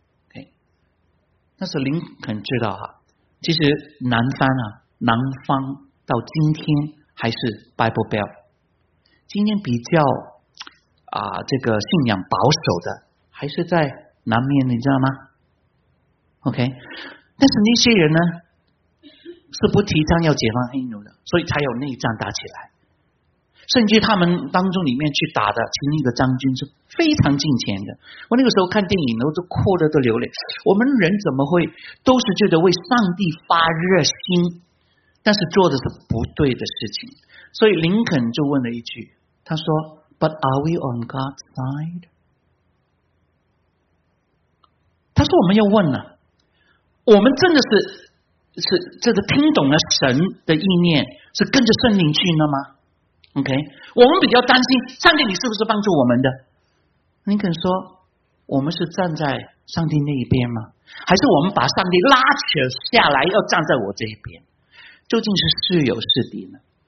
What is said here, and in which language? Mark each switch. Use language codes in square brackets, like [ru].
[zh] OK， 那是林肯知道其实南方到今天还是 Bible Belt， 今天比较这个信仰保守的还是在南面，你知道吗 ？OK， 但是那些人呢是不提倡要解放黑奴的，所以才有内战打起来。甚至他们当中里面去打的其中一个将军是非常敬虔的，我那个时候看电影都哭得都流泪，我们人怎么会都是觉得为上帝发热心，但是做的是不对的事情。所以林肯就问了一句，他说 [en] But are we on God's side？ [zh] 他说我们要问了，我们真的是这个听懂了神的意念，是跟着圣灵去了吗？ OK， 我们比较担心上帝你是不是帮助我们的，你可能说我们是站在上帝那一边吗，还是我们把上帝拉扯下来要站在我这一边，究竟是室友是敌呢？